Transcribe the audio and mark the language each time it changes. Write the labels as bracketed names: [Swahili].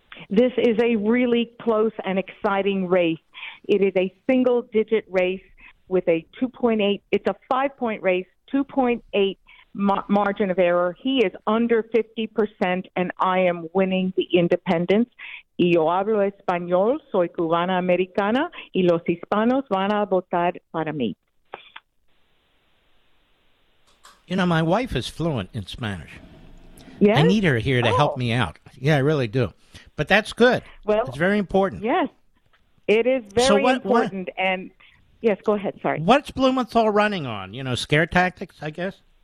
[English] This is a really close and exciting race. It is a single-digit race with a 2.8. It's a five-point race, 2.8 margin of error. He is under 50%, and I am winning the independents. [Spanish] Y yo hablo español, soy cubana americana, y los hispanos van a votar para mí. [English] You know, my wife is fluent in Spanish. Yes? I need her here to help me out. Yeah, I really do. But that's good. Well, it's very important. Yes. It is very important. And yes, go ahead. Sorry. What's Blumenthal running on? You know, scare tactics, I guess?